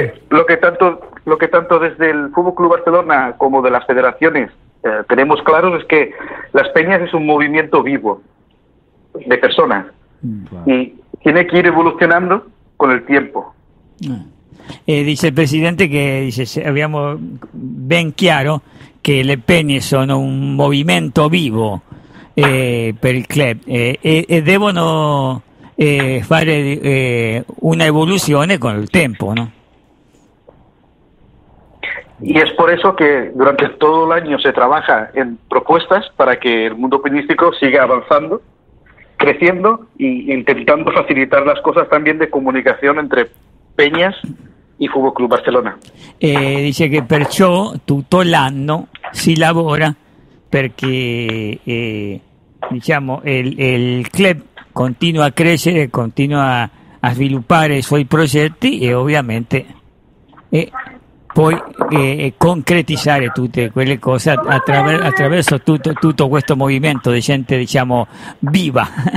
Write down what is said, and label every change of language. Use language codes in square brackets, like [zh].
[es] Lo che tanto desde el Fútbol Club Barcelona como de las federaciones tenemos claro es que las peñas es un movimiento vivo de personas y tiene que ir evolucionando con el tiempo. [it] Dice il presidente che abbiamo ben chiaro che le peñe sono un movimento vivo per il club e devono fare una evoluzione con il tempo, no? [es] Y es por eso que durante todo el año se trabaja en propuestas para que el mundo peñístico siga avanzando creciendo e intentando facilitar las cosas también de comunicación entre peñas y Fútbol Club Barcelona. [it] Dice que perciò tutto l'anno si lavora perché diciamo [es] el club continúa a crecer, [it] continúa a sviluppare i suoi progetti e ovviamente poi concretizzare tutte quelle cose attraverso tutto questo movimento di gente, diciamo, viva.